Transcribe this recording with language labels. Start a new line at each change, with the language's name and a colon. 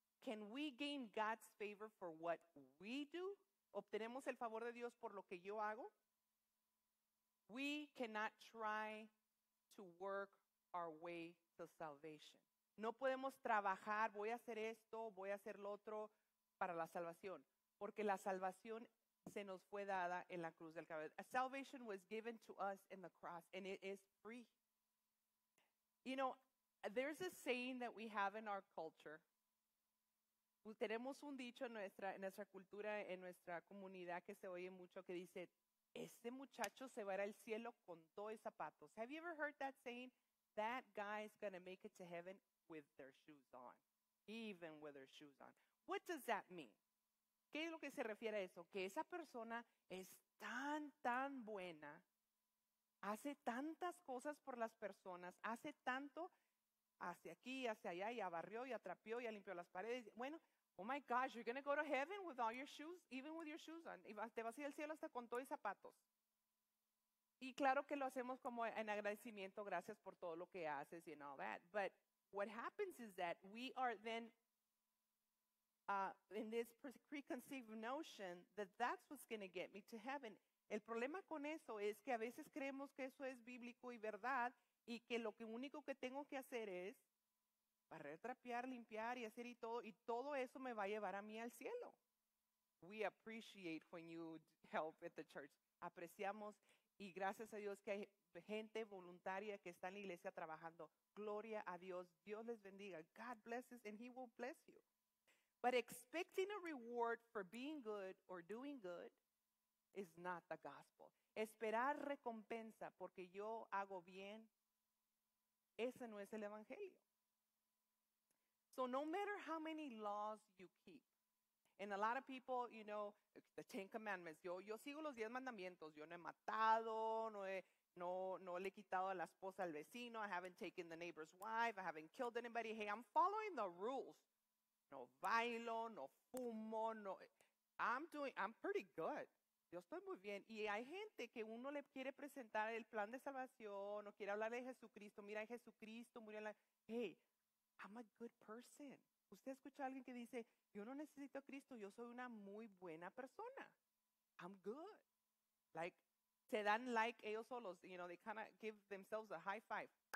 English: Can we gain God's favor for what we do?
Spanish: ¿Obtenemos el favor de Dios por lo que yo hago?
English: We cannot try to work our way to salvation.
Spanish: No podemos trabajar, voy a hacer esto, voy a hacer lo otro para la salvación. Porque la salvación se nos fue dada en la cruz del Calvario.
English: Salvation was given to us in the cross, and it is free. You know, There's a saying that we have in our culture.
Spanish: Tenemos un dicho en nuestra cultura, en nuestra comunidad, que se oye mucho, que dice, este muchacho se va a ir al cielo con dos zapatos.
English: Have you ever heard that saying? That guy is going to make it to heaven with their shoes on. Even with their shoes on. What does that mean?
Spanish: ¿Qué es lo que se refiere a eso? Que esa persona es tan, tan buena, hace tantas cosas por las personas, hace tanto hacia aquí, hacia allá, y abarrió, y atrapió, y limpió las paredes.
English: Bueno, oh my gosh, you're going to go to heaven with all your shoes, even with your shoes on.
Spanish: Y te vas a ir al cielo hasta con todo y zapatos. Y claro que lo hacemos como en agradecimiento, gracias por todo lo que haces, y
English: all that. But what happens is that we are then in this preconceived notion that that's what's going to get me to heaven.
Spanish: El problema con eso es que a veces creemos que eso es bíblico y verdad, y que lo que único que tengo que hacer es barrer, trapear, limpiar y hacer y todo eso me va a llevar a mí al cielo.
English: We appreciate when you help at the church.
Spanish: Apreciamos y gracias a Dios que hay gente voluntaria que está en la iglesia trabajando. Gloria a Dios. Dios les bendiga.
English: God blesses and he will bless you. But expecting a reward for being good or doing good is not the gospel.
Spanish: Esperar recompensa porque yo hago bien, ese no es el evangelio.
English: So no matter how many laws you keep, and a lot of people, you know, the Ten Commandments,
Spanish: yo sigo los 10 mandamientos, yo no he matado, no le he quitado a la esposa al vecino,
English: I haven't taken the neighbor's wife, I haven't killed anybody, hey, I'm following the rules.
Spanish: No bailo, no fumo, no,
English: I'm pretty good.
Spanish: Yo estoy muy bien. Y hay gente que uno le quiere presentar el plan de salvación o quiere hablar de Jesucristo. Mira, Jesucristo murió en la...
English: Hey, I'm a good person.
Spanish: ¿Usted escucha a alguien que dice, yo no necesito a Cristo, yo soy una muy buena persona?
English: I'm good.
Spanish: Like, se dan like ellos solos.
English: You know, they kind of give themselves a high five.